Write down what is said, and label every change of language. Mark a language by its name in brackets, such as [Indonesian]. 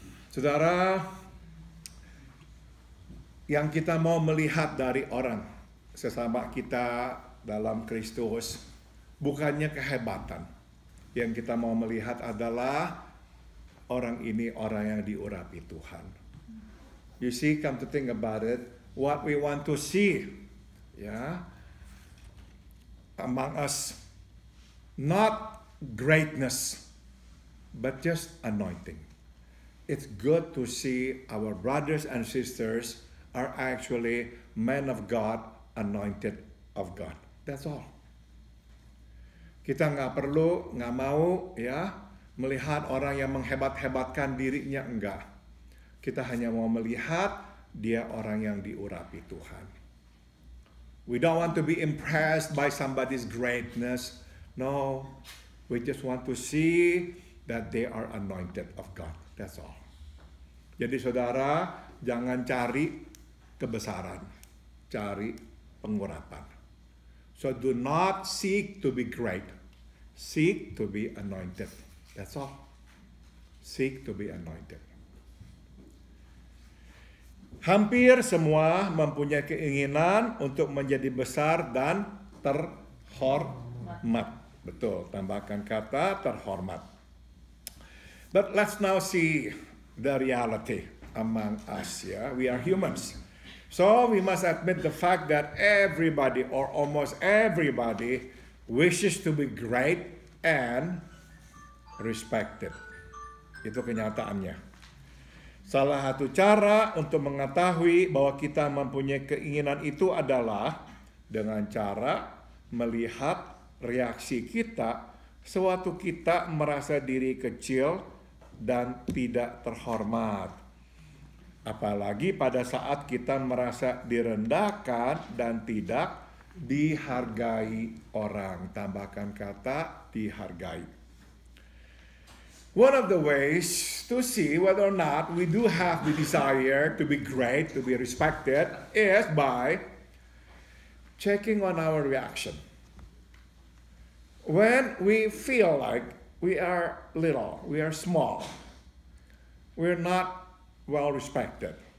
[Indonesian] Saudara, yang kita mau melihat dari orang sesama kita dalam Kristus bukannya kehebatan. Yang kita mau melihat adalah orang ini orang yang diurapi Tuhan. [English] You see, come to think about it, what we want to see, among us, not greatness, but just anointing. It's good to see our brothers and sisters are actually men of God, anointed of God. That's all. [Indonesian] Kita nggak perlu, nggak mau, melihat orang yang menghebat-hebatkan dirinya, enggak. Kita hanya mau melihat dia orang yang diurapi Tuhan. [English] We don't want to be impressed by somebody's greatness. No, we just want to see that they are anointed of God. That's all. [Indonesian] Jadi saudara, jangan cari kebesaran, cari pengurapan. [English] So do not seek to be great, seek to be anointed. That's all. Seek to be anointed. [Indonesian] Hampir semua mempunyai keinginan untuk menjadi besar dan terhormat. Betul, tambahkan kata terhormat. [English] But let's now see the reality among us. We are humans. So we must admit the fact that everybody or almost everybody wishes to be great and respected. [Indonesian] Itu kenyataannya. Salah satu cara untuk mengetahui bahwa kita mempunyai keinginan itu adalah dengan cara melihat reaksi kita sewaktu kita merasa diri kecil dan tidak terhormat. Apalagi pada saat kita merasa direndahkan dan tidak dihargai orang. Tambahkan kata dihargai. [English] One of the ways to see whether or not we do have the desire to be great, to be respected, is by checking on our reaction. When we feel like we are little, we are small, we're not well respected.